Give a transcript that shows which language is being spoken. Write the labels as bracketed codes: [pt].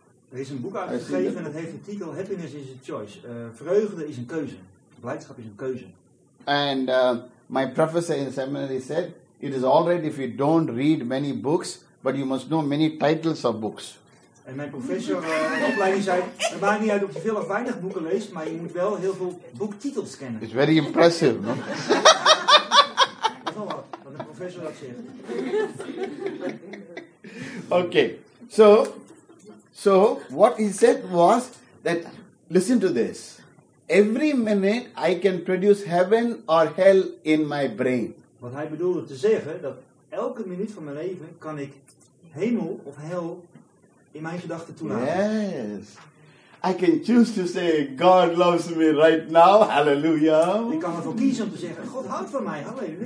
[nl] Er is een boek uitgegeven en het heeft de titel Happiness is a Choice. Vreugde is een keuze. Blijdschap is een keuze. [en] And my professor in seminary said, it is all right if you don't read many books, but you must know many titles of books. [nl] En mijn professor in opleiding zei, het maakt niet uit of je veel of weinig boeken leest, maar je moet wel heel veel boektitels kennen. [en] It's very impressive, no? [nl] Dat is wel wat een professor dat zegt. [en] Okay, so... So, what he said was that, listen to this. Every minute I can produce heaven or hell in my brain. [nl] Wat hij bedoelde te zeggen, dat elke minuut van mijn leven kan ik hemel of hel in mijn gedachten toelaten. [en] Yes. I can choose to say God loves me right now, hallelujah. [nl] Ik kan ervoor kiezen om te zeggen, God houdt van mij, hallelujah.